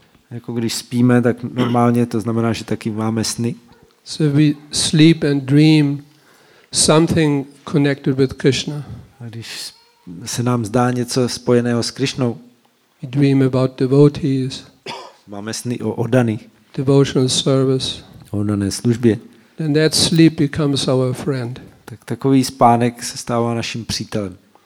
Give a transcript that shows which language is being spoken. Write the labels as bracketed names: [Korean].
[Czech] Jako když spíme, tak normálně to znamená, že taky máme sny. [English] So we sleep and dream something connected with Krishna. [Czech] A když se nám zdá něco spojeného s Krišnou. [English] We dream about devotees. [Czech] Máme sny o oddaných. [English] Devotional service. [Czech] O oddané službě. [English] Then that sleep becomes our friend. [Czech] Tak takový spánek se stává naším přítelem.